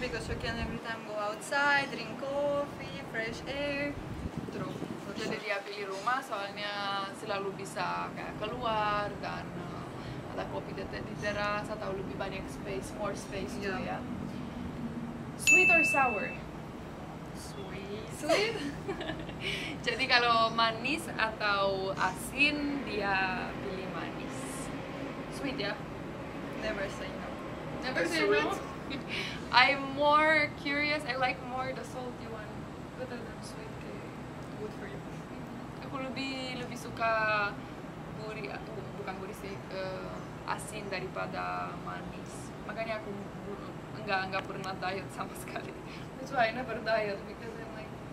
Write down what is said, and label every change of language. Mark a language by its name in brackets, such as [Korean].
[English] Because you can every time go outside, drink coffee, fresh air. True. [Indonesian] Jadi dia pilih rumah soalnya selalu bisa kayak keluar dan ada kopi di teras atau lebih banyak space, [English] more space [Indonesian] gitu, yeah. Ya. [English] Sweet or sour? Sweet. [Indonesian] Jadi kalau manis atau asin, dia pilih manis. Sweet ya? [English] Never say no. Never say sweet. No? I'm more curious, I like more the salty one. Better than sweet, okay. Good for you. [Indonesian] Aku lebih suka gurih, bukan gurih sih, asin daripada manis. Makanya aku enggak pernah diet sama sekali. [English] That's why I never diet, because I'm like